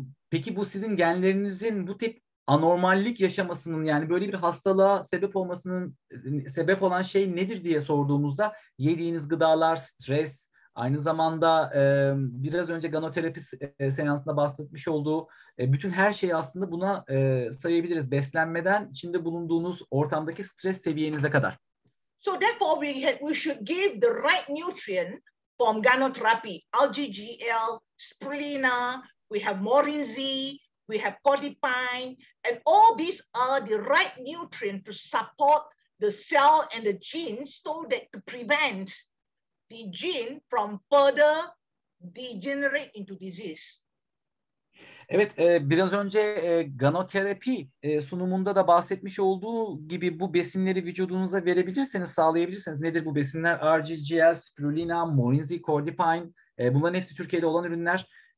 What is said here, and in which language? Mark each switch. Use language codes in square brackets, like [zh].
[tr] Peki bu sizin genlerinizin bu tip anormallik yaşamasının, yani böyle bir hastalığa sebep olmasının sebep olan şey nedir diye sorduğumuzda, yediğiniz gıdalar, stres, aynı zamanda biraz önce ganoterapi seansında bahsetmiş olduğu bütün her şeyi aslında buna sayabiliriz. Beslenmeden içinde bulunduğunuz ortamdaki stres seviyenize kadar. [en] So therefore, we should give the right nutrient from Ganotherapy, RGGL, Spirulina, we have Morinzi, we have Codipine, and all these are the right nutrient to support the cell and the gene so that to prevent the gene from further degenerate into disease. [tr] Evet, biraz önce ganoterapi sunumunda da bahsetmiş olduğu gibi bu besinleri vücudunuza verebilirseniz, sağlayabilirseniz, nedir bu besinler? RGGL, Spirulina, Morinzi, Cordipine, bunların hepsi Türkiye'de olan ürünler.